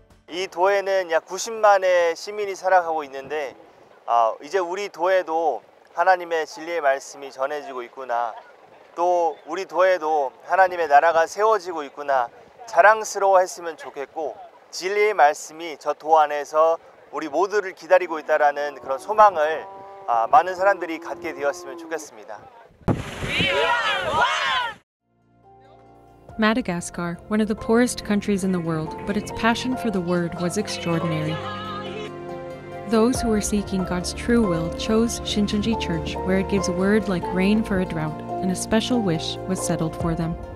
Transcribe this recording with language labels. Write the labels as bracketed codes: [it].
[en] In this village, there are about 90,000 citizens living in this village. Now, in our village, God's word is being spread. And in our village, God's kingdom is being set up. It would be good to be proud. [ko] 진리의 말씀이 저 도 안에서 우리 모두를 기다리고 있다라는 그런 소망을 많은 사람들이 갖게 되었으면 좋겠습니다. [en] Madagascar, one of the poorest countries in the world, but its passion for the word was extraordinary. Those who were seeking God's true will chose Shincheonji Church, where it gives word like rain for a drought, and a special wish was settled for them.